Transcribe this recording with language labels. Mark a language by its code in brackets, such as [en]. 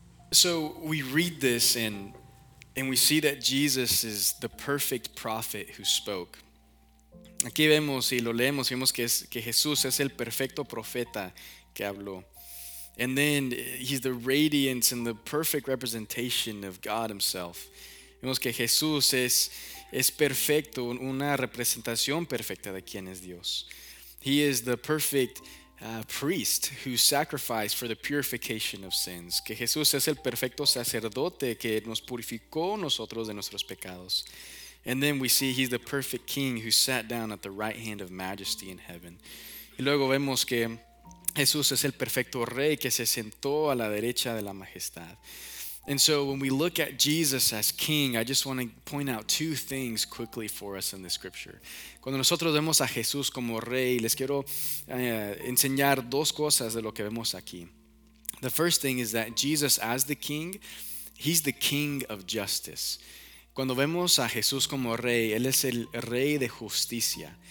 [en] So we read this and we see that Jesus is the perfect prophet who spoke. [es] Aquí vemos y lo leemos, vemos que Jesús es el perfecto profeta que habló. [en] And then he's the radiance and the perfect representation of God himself. [es] Vemos que Jesús es perfecto, una representación perfecta de quién es Dios. [en] He is the perfect priest who sacrificed for the purification of sins. [es] Que Jesús es el perfecto sacerdote que nos purificó nosotros de nuestros pecados. [en] And then we see he's the perfect king who sat down at the right hand of majesty in heaven. [es] Y luego vemos que Jesús es el perfecto rey que se sentó a la derecha de la majestad. [en] And so when we look at Jesus as king, I just want to point out two things quickly for us in the scripture. [es] Cuando nosotros vemos a Jesús como rey, les quiero enseñar dos cosas de lo que vemos aquí. [en] The first thing is that Jesus as the king, he's the king of justice. [es] Cuando vemos a Jesús como rey, él es el rey de justicia.